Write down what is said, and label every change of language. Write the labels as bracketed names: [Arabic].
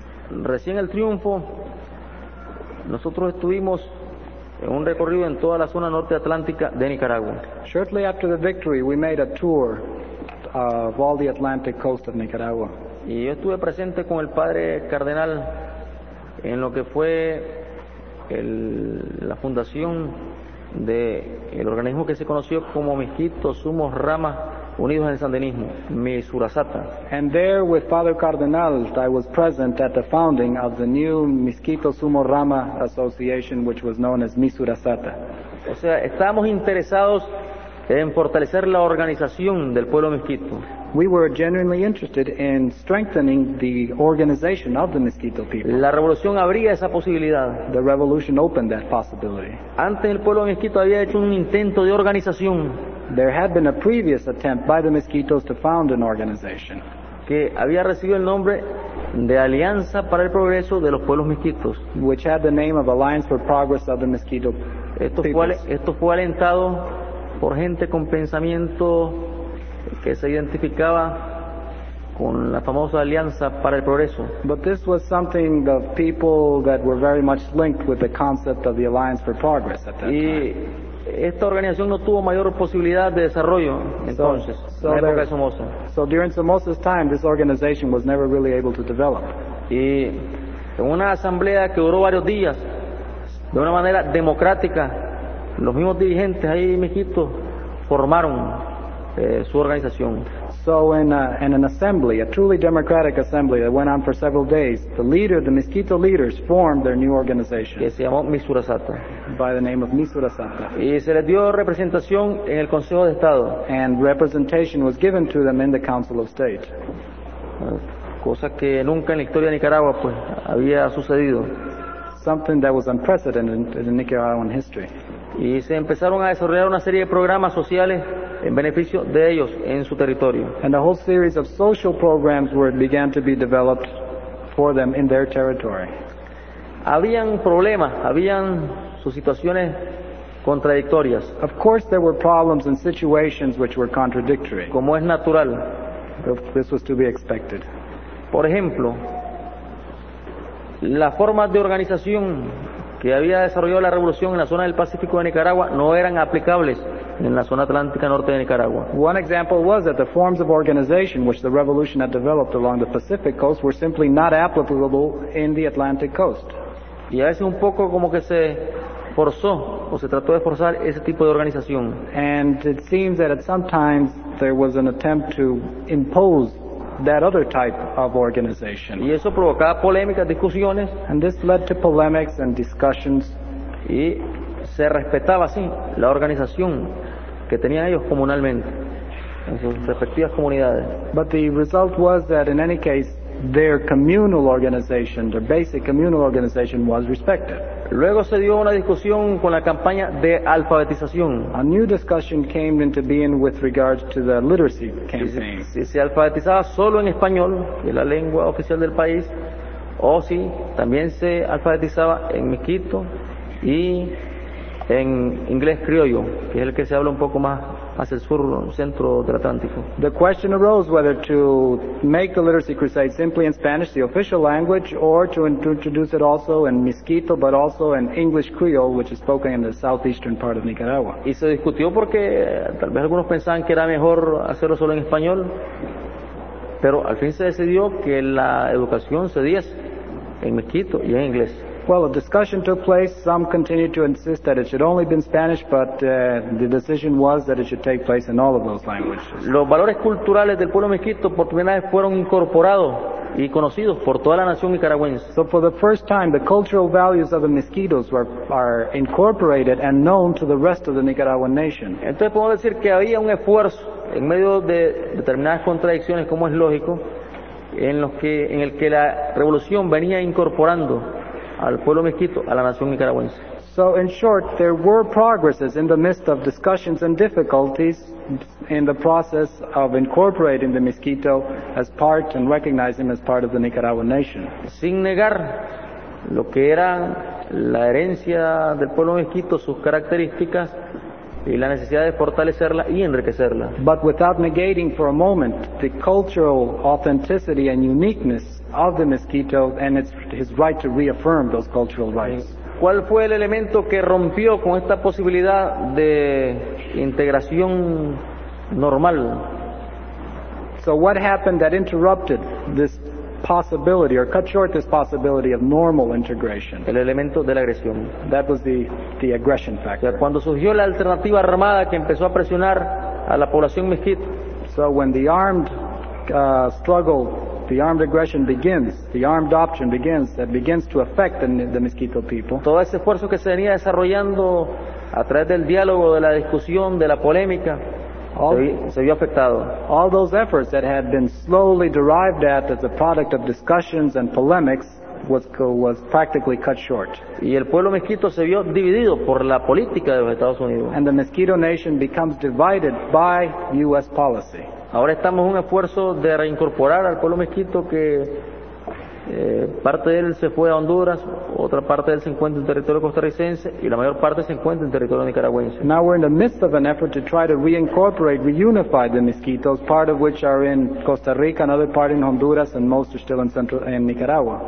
[Spanish] Recién el triunfo, nosotros estuvimos en un recorrido en toda la zona norte atlántica de Nicaragua. [English] Shortly after the victory, we made a tour of all the Atlantic coast of Nicaragua. [Spanish] Y yo estuve presente con el padre cardenal en lo que fue la fundación de el organismo que se conoció como Misquito Sumos Ramas Unidos en Sandinismo, Miss Urasata. [English] And there with Father Cardenal, I was present at the founding of the new Misquito Sumos Ramas Association, which was known as Miss Urasata. [Spanish] O sea, estamos interesados en fortalecer la organización del pueblo Misquito. [English] We were genuinely interested in strengthening the organization of the Misquito people. [Spanish] La revolución abría esa posibilidad. [English] The revolution opened that possibility. [Spanish] Antes el pueblo Misquito había hecho un intento de organización. [English] There had been a previous attempt by the Misquitos to found an organization. [Spanish] Que había recibido el nombre de Alianza para el Progreso de los Pueblos Misquitos. [English] Which had the name of Alliance for Progress of the Misquito people. [Spanish] Esto fue alentado por gente con pensamiento que se identificaba con la famosa Alianza para el Progreso. [English] But this was something of people that were very much linked with the concept of the Alliance for Progress at that time. [Spanish] Y esta organización no tuvo mayor posibilidad de desarrollo entonces, en la época de Somoza. [English] So during Somoza's time, this organization was never really able to develop. [Spanish] Y en una asamblea que duró varios días, de una manera democrática, los mismos dirigentes ahí en Egipto formaron su organización. [English] So in an assembly, a truly democratic assembly that went on for several days, the leader, the Misquito leaders, formed their new organization. [Spanish] Que se llamó Miss Urasata. [English] By the name of Miss Urasata. [Spanish] Y se les dio representación en el Consejo de Estado. [English] And representation was given to them in the Council of State. [Spanish] Cosa que nunca en la historia de Nicaragua pues había sucedido. [English] Something that was unprecedented in Nicaraguan history. [Spanish] Y se empezaron a desarrollar una serie de programas sociales en beneficio de ellos en su territorio. [English] And a whole series of social programs were began to be developed for them in their territory. [Spanish] Habían problemas, habían sus situaciones contradictorias. [English] Of course there were problems and situations which were contradictory. [Spanish] Como es natural. [English] This was to be expected. [Spanish] Por ejemplo, la forma de organización que había desarrollado la revolución en la zona del Pacífico de Nicaragua no eran aplicables en la zona atlántica norte de Nicaragua. [English] One example was that the forms of organization which the revolution had developed along the Pacific coast were simply not applicable in the Atlantic coast. [Spanish] Y a veces un poco como que se forzó o se trató de forzar ese tipo de organización. [English] And it seems that at some times there was an attempt to impose that other type of organization. [Spanish] Y eso provocaba polémicas, discusiones. [English] And this led to polemics and discussions. [Spanish] Y se respetaba así la organización que tenían ellos comunalmente en sus respectivas comunidades. [English] But the result was that in any case their communal organization, their basic communal organization was respected. [Spanish] Luego se dio una discusión con la campaña de alfabetización. [English] A new discussion came into being with regard to the literacy campaign. [Spanish] Si se alfabetizaba solo en español, que es la lengua oficial del país, o si también se alfabetizaba en Misquito y en inglés criollo, que es el que se habla un poco más hacia el sur, centro del Atlántico. [English] The question arose whether to make the literacy crusade simply in Spanish, the official language, or to introduce it also in Misquito, but also in English Creole, which is spoken in the southeastern part of Nicaragua. [Spanish] Y se discutió porque tal vez algunos pensaban que era mejor hacerlo solo en español, pero al fin se decidió que la educación se diese en Misquito y en inglés. [English] Well, a discussion took place. Some continued to insist that it should only be in Spanish, but the decision was that it should take place in all of those languages. [Spanish] Los valores culturales del pueblo Misquito por primera vez fueron incorporados y conocidos por toda la nación nicaragüense. [English] So for the first time, the cultural values of the Misquitos are incorporated and known to the rest of the Nicaraguan nation. [Spanish] Entonces podemos decir que había un esfuerzo en medio de determinadas contradicciones, como es lógico, en el que la revolución venía incorporando al pueblo Misquito, a la nación nicaragüense. [English] So in short, there were progresses in the midst of discussions and difficulties in the process of incorporating the Misquito as part and recognizing him as part of the Nicaraguan nation. [Spanish] Sin negar lo que era la herencia del pueblo Misquito, sus características y la necesidad de fortalecerla y enriquecerla. [English] But without negating for a moment the cultural authenticity and uniqueness of the Misquito and his right to reaffirm those cultural rights. [Spanish] ¿Cuál fue el elemento que rompió con esta posibilidad de integración normal? [English] So what happened that interrupted this possibility or cut short this possibility of normal integration. [Spanish] El elemento de la agresión. [English] That was the aggression factor. [Spanish] O sea, cuando surgió la alternativa armada que empezó a presionar a la población mestiza. [English] So when the armed struggle, the armed aggression begins, the armed option begins, that begins to affect the Miskito people. [Spanish] Todo ese esfuerzo que se venía desarrollando a través del diálogo, de la discusión, de la polémica, se vio afectado. [English] All those efforts that had been slowly derived at as a product of discussions and polemics was practically cut short. [Spanish] Y el pueblo Miskito se vio dividido por la política de los Estados Unidos. [English] And the Miskito nation becomes divided by U.S. policy. [Spanish] Ahora estamos en un esfuerzo de reincorporar al pueblo mestizo que parte de él se fue a Honduras, otra parte de él se encuentra en territorio costarricense y la mayor parte se encuentra en territorio nicaragüense. [English] Now we're in the midst of an effort to try to reincorporate, reunify the mestizos, part of which are in Costa Rica, another part in Honduras, and most are still in Nicaragua.